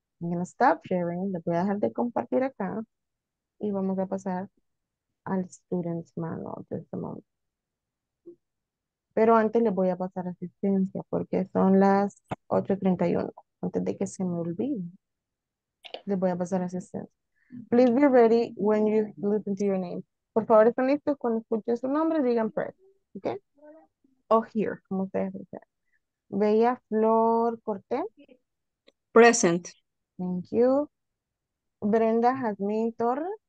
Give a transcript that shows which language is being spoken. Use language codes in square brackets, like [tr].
[en] I'm going to stop sharing. [es] Les voy a dejar de compartir acá. Y vamos a pasar al student's manual de este momento. Pero antes les voy a pasar asistencia porque son las 8:31. Antes de que se me olvide, les voy a pasar asistencia. [en] Please be ready when you listen to your name. [es] Por favor, están listos cuando escuchen su nombre, digan press. ¿Ok? O here, como ustedes dicen. Bella Flor Cortés. [en] Present. Thank you. Brenda Jazmín Torres.